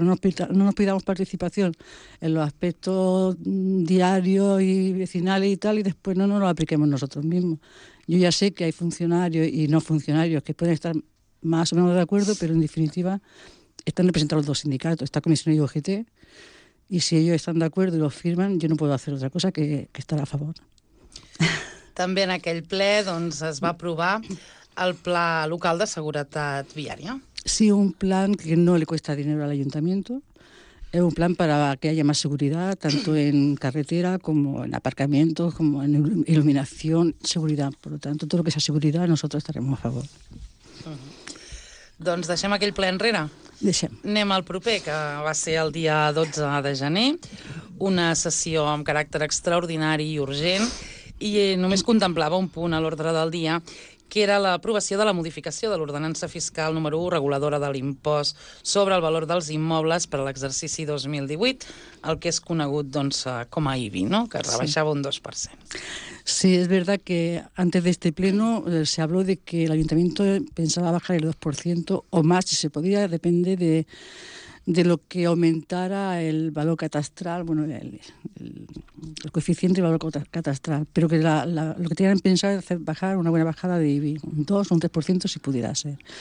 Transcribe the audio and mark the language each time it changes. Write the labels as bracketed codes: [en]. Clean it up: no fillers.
[es] No nos pidamos participación en los aspectos diarios y vecinales y tal, y después no nos lo apliquemos nosotros mismos. Yo ya sé que hay funcionarios y no funcionarios que pueden estar más o menos de acuerdo, pero en definitiva están representados los dos sindicatos, esta comisión y UGT, y si ellos están de acuerdo y lo firman, yo no puedo hacer otra cosa que estar a favor. [ca] També en aquell ple doncs, es va aprovar el pla local de seguretat viària. [es] Sí, un plan que no le cuesta dinero al ayuntamiento. Es un plan para que haya más seguridad, tanto en carretera como en aparcamientos, como en iluminación, seguridad. Por lo tanto, todo lo que sea seguridad, nosotros estaremos a favor. [ca] Uh-huh. Doncs deixem aquell ple enrere. Deixem. Anem al proper, que va ser el dia 12 de gener. Una sessió amb caràcter extraordinari i urgent. I només contemplava un punt a l'ordre del dia, que era l'aprovació de la modificació de l'ordenança fiscal número 1 reguladora de l'impost sobre el valor dels immobles per a l'exercici 2018, el que és conegut doncs, com a IBI, no? Que rebaixava un 2%. [es] Sí, es verdad que antes de este pleno se habló de que el ayuntamiento pensaba bajar el 2% o más, si se podía, depende de lo que aumentara el valor catastral, bueno, el coeficiente y valor catastral, pero que lo que tenían pensado es hacer bajar una buena bajada de IBI, un 2 o un 3% si pudiera ser.